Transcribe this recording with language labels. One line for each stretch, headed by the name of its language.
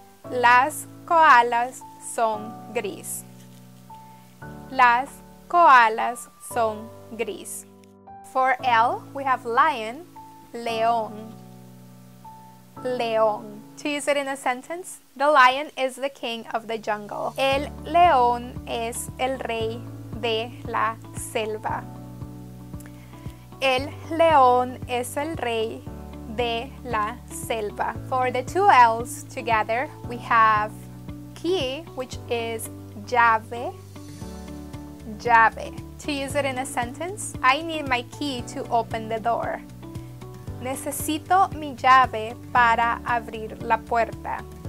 Spanish: Las koalas son gris. Las koalas son gris.
English: For L, we have lion. León, león. To use it in a sentence, the lion is the king of the jungle.
Spanish: El león es el rey de la selva. El león es el rey de la selva.
English: For the two L's together, we have key, which is llave, llave. To use it in a sentence, I need my key to open the door.
Spanish: Necesito mi llave para abrir la puerta.